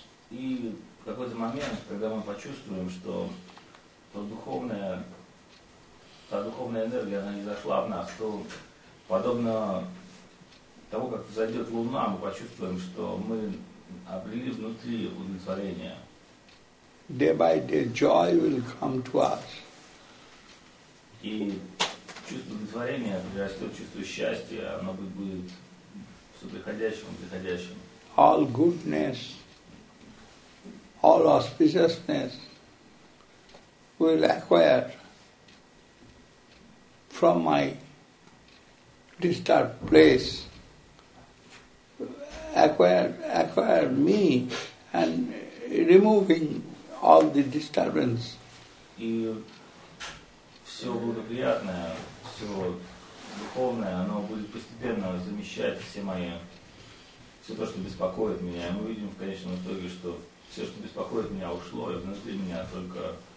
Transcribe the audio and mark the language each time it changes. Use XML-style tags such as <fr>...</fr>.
<ru>И в какой-то момент, когда мы почувствуем, что та духовная энергия, она не зашла в нас, то подобно того, как зайдет луна, мы почувствуем, что мы обрели внутри удовлетворение.</ru> <en>Day by day, joy will come to us.</en> <ru>И чувство удовлетворения, растет чувство счастья, оно будет все приходящим и приходящим.</ru> <en>All goodness, all auspiciousness will acquire from my disturbed place, acquire me and removing all the disturbance.</en> <ru>И все благоприятное, все духовное, оно будет постепенно замещать все мои, все то, что беспокоит меня. И мы видим в конечном итоге, что все, что беспокоит меня, ушло, и внутри меня только...</ru>